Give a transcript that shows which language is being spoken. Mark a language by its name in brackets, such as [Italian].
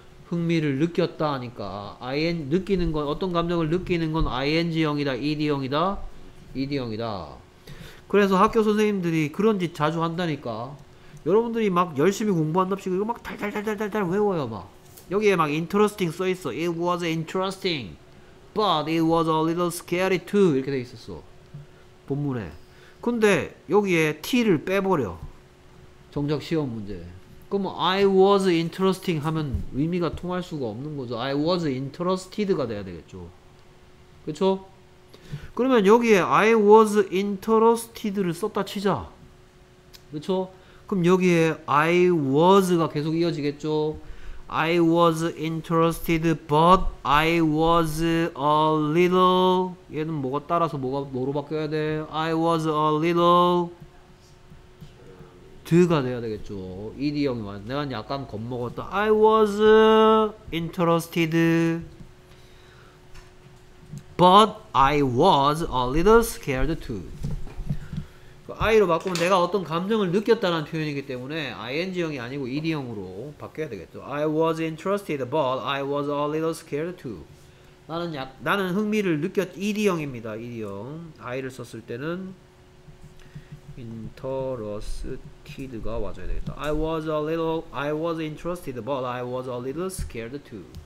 [Korean] 흥미를 느꼈다 하니까 느끼는 건 어떤 감정을 느끼는 건 ing형이다, ed형이다, ed형이다. 그래서 학교 선생님들이 그런 짓 자주 한다니까. 여러분들이 막 열심히 공부한답시고 이거 막 달달달달달 외워요 막. 여기에 막 interesting 써 있어. [English] It was interesting, but it was a little scary too. [Korean] 이렇게 돼 있었어 본문에. 근데 여기에 t를 빼버려. 정작 시험 문제. 그럼 [English] I was interesting [Korean] 하면 의미가 통할 수가 없는 거죠. [English] I was interested [Korean] 가 돼야 되겠죠. 그렇죠? 그러면 여기에 [English] I was interested [Korean] 를 썼다 치자. 그렇죠? 그럼 여기에 I was가 계속 이어지겠죠. [English] I was interested but I was a little. [Korean] 얘는 뭐가 따라서 뭐가 뭐로 바뀌어야 돼? [English] I was a little [Korean] 드가 돼야 되겠죠. ED형이 와. 내가 약간 겁먹었다. [English] I was interested but I was a little scared too. [Korean] I로 바꾸면 내가 어떤 감정을 느꼈다는 표현이기 때문에 ING형이 아니고 ED형으로 바뀌어야 되겠죠. [English] I was interested but I was a little scared too. [Korean] 나는 흥미를 느꼈. ED형입니다. ED형. I를 썼을 때는 interested가 와줘야 되겠다. [English] I was interested but I was a little scared too.